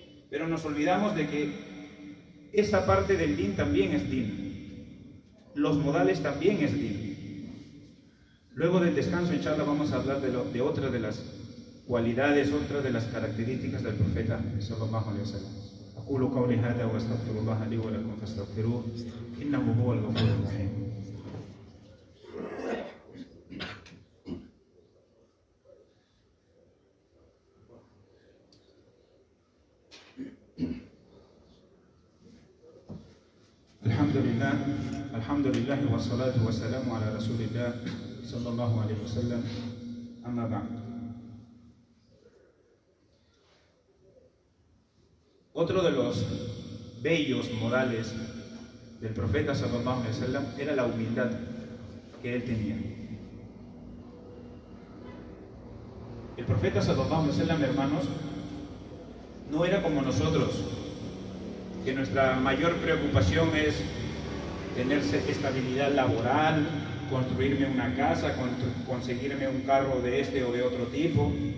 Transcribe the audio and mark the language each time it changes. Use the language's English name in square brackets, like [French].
[Spanish] Pero nos olvidamos de que esa parte del din también es din. Los modales también es din. Luego del descanso, inshallah, vamos a hablar de otra de las cualidades, otra de las características del profeta sallallahu alaihi wasallam. [Arabic] أقول قولي هذا واستغفر الله لي ولكم فاستغفروه إنه هو الغفور الرحيم. الحمد لله الحمد لله والصلاة والسلام على رسول الله صلى الله عليه وسلم أما بعد. [Spanish] Otro de los bellos modales del profeta sallallahu alaihi wasallam era la humildad que él tenía. El profeta sallallahu alaihi wasallam, hermanos, no era como nosotros, que nuestra mayor preocupación es tener estabilidad laboral, construirme una casa, conseguirme un carro de este o de otro tipo.